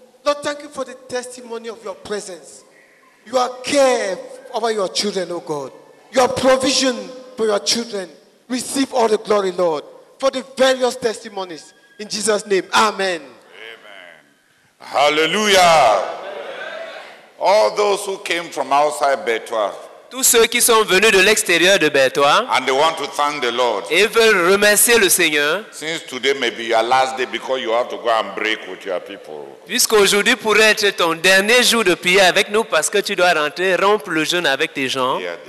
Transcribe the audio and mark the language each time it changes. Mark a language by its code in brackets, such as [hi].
[en] Lord, thank you for the testimony of your presence, your care over your children, oh God. Your provision for your children. Receive all the glory, Lord, for the various testimonies. In Jesus' name, amen. Amen. Hallelujah. All those who came from outside Betwa, [fr] Tous ceux qui sont venus de l'extérieur de Bethoie, [en] and they want to thank the Lord. [fr] Et veulent remercier le Seigneur. [en] Since today may be your last day because you have to go and break with your people. [fr] Puisqu'aujourd'hui pourrait être ton dernier jour de prière avec nous parce que tu dois rentrer rompre le jeûne avec tes gens.